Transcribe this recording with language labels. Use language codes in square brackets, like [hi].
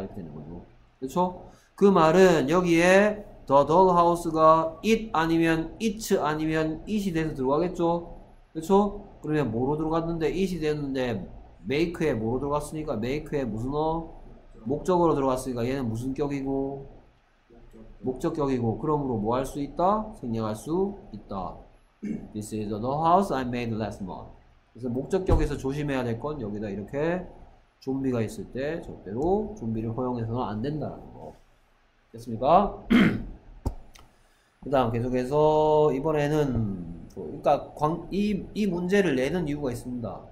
[ko] 이렇게 되는 거죠. 그렇죠? 그 말은 여기에 the dollhouse가 it 아니면 it 아니면 it이 돼서 들어가겠죠. 그렇죠? 그러면 뭐로 들어갔는데 it이 됐는데 make에 뭐로 들어갔으니까 make에 무슨 어? 목적으로 들어갔으니까 얘는 무슨 격이고? 목적격이고 그러므로 뭐 할 수 있다? 생략할 수 있다. [en] This is the house I made last month. [ko] 그래서 목적격에서 조심해야 될 건 여기다 이렇게 좀비가 있을 때 절대로 좀비를 허용해서는 안 된다는 거. 됐습니까? 그 다음 계속해서 이번에는 그러니까 이 문제를 내는 이유가 있습니다.